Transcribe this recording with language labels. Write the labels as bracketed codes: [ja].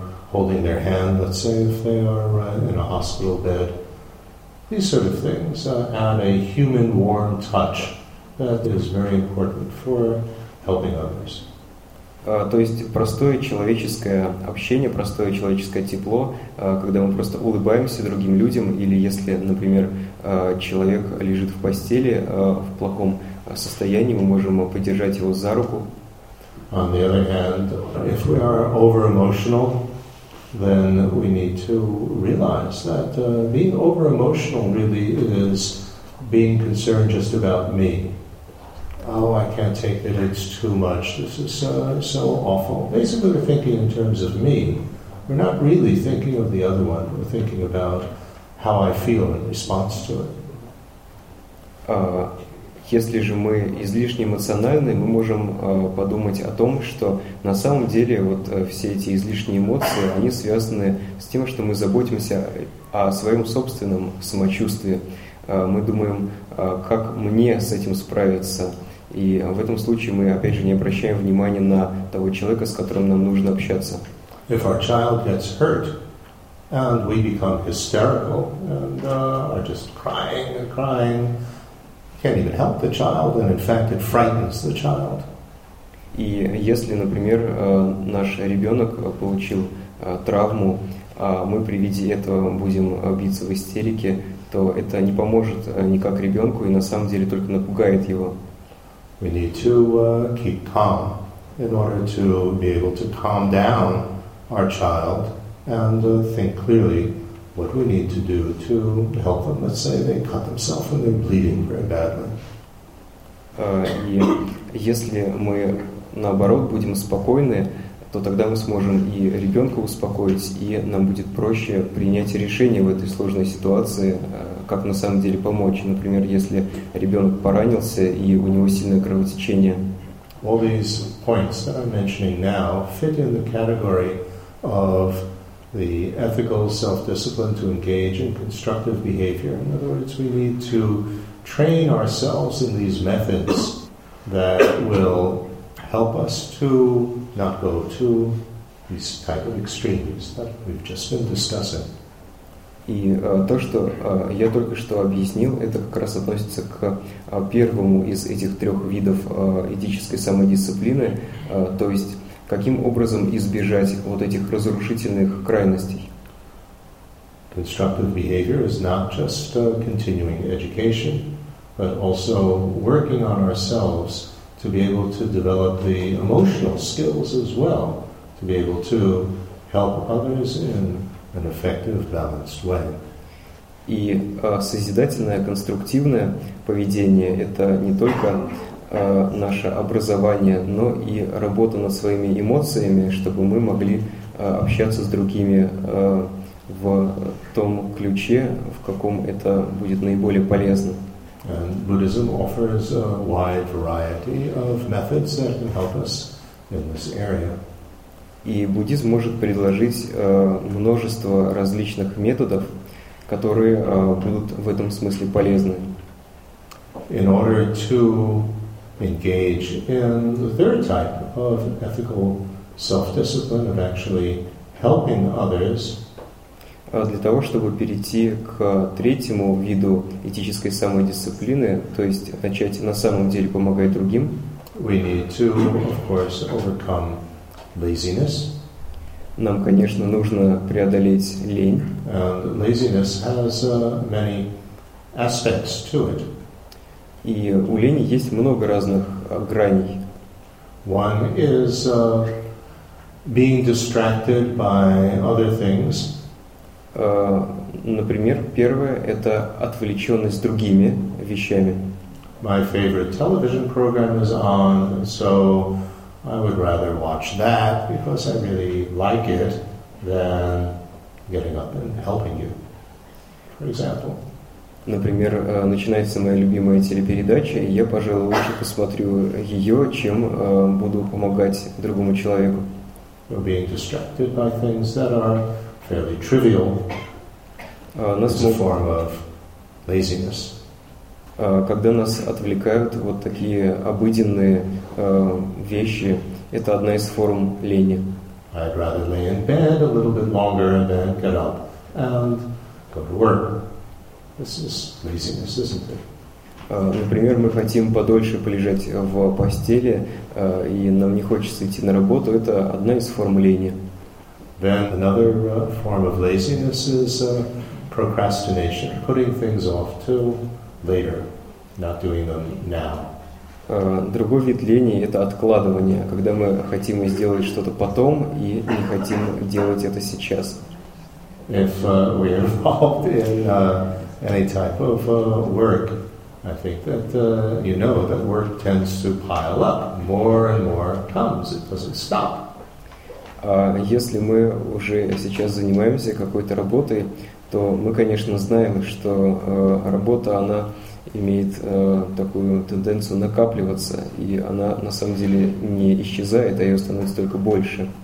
[en] Holding their hand, let's say, if they are in a hospital bed. These sort of things add a human warm touch that is very important for helping others. [ru] То есть простое человеческое общение, простое человеческое тепло, когда мы просто улыбаемся другим людям, или если, например, человек лежит в постели в плохом состоянии, мы можем поддержать его за руку. [en] On the other hand, if we are over-emotional, then we need to realize that being over-emotional really is being concerned just about me. Oh, I can't take it, it's too much, this is so awful. Basically, we're thinking in terms of me. We're not really thinking of the other one. We're thinking about how I feel in response to it. [ru] Если же мы излишне эмоциональны, мы можем подумать о том, что на самом деле вот все эти излишние эмоции, они связаны с тем, что мы заботимся о своем собственном самочувствии. Мы думаем, как мне с этим справиться. И в этом случае мы, опять же, не обращаем внимания на того человека, с которым нам нужно общаться. [en] If our child gets hurt, and we become hysterical, and are just crying and crying, can't even help the child, and in fact, it frightens the child. [ru] И если, например, наш ребенок получил травму, а мы при виде этого будем биться в истерике, то это не поможет никак ребенку и на самом деле только напугает его. [en] We need to keep calm in order to be able to calm down our child and think clearly what we need to do to help them. Let's say they cut themselves and they're bleeding very badly. [ru] И если мы, наоборот, будем спокойны, то тогда мы сможем и ребенка успокоить, и нам будет проще принять решение в этой сложной ситуации, как на самом деле помочь. Например, если ребенок поранился, и у него сильное кровотечение. [en] All these points that I'm mentioning now fit in the category of the ethical self-discipline to engage in constructive behavior. In other words, we need to train ourselves in these methods that will help us to not go to these type of extremes that we've just been discussing. [ru] И то, что я только что объяснил, это как раз относится к первому из этих трех видов этической самодисциплины, то есть каким образом избежать вот этих разрушительных крайностей? [en] Constructive behavior is not just continuing education, but also working on ourselves to be able to develop the emotional skills as well, to be able to help others in an effective, balanced way. [ru] И созидательное, конструктивное поведение — это не только наше образование, но и работа над своими эмоциями, чтобы мы могли общаться с другими в том ключе, в каком это будет наиболее полезно. [en] And Buddhism offers a wide variety of methods that can help us in this area. [ru] И буддизм может предложить множество различных методов, которые будут в этом смысле полезны. [en] In order to engage in the third type of ethical self-discipline of actually helping others. [ru] Для того, чтобы перейти к третьему виду этической самодисциплины, то есть начать на самом деле помогать другим, [en] we need to, of course, overcome laziness. [ru] Нам, конечно, нужно преодолеть лень. [en] And laziness has many aspects to it. [ru] И у лени есть много разных граней. [en] One is being distracted by other things. [ru] Например, первое — это отвлеченность другими вещами. [en] My favorite television program is on, so I would rather watch that because I really like it than getting up and helping you, for example. [ru] Например, начинается моя любимая телепередача, и я, пожалуй, лучше посмотрю ее, чем буду помогать другому человеку. [en] We're being distracted by things that are fairly trivial. It's a form of laziness. [ru] Когда нас отвлекают вот такие обыденные вещи, это одна из форм лени. [en] I'd rather lay in bed a little bit longer and then get up and go to work. This is laziness, isn't it? [ru] Например, мы хотим подольше полежать в постели, и нам не хочется идти на работу. Это одна из форм лени. [en] Then another form of laziness is procrastination, putting things off till later, not doing them now. [ru] Другой вид лени — это откладывание, когда мы хотим сделать что-то потом и не хотим делать это сейчас. [en] If we are involved in any type of work, I think that you know that work tends to pile up. More and more comes. It doesn't stop. [ru] Если мы уже сейчас занимаемся какой-то работой, то мы, конечно, знаем, что работа, она имеет такую тенденцию накапливаться, и она на самом деле не исчезает, а ее становится только больше.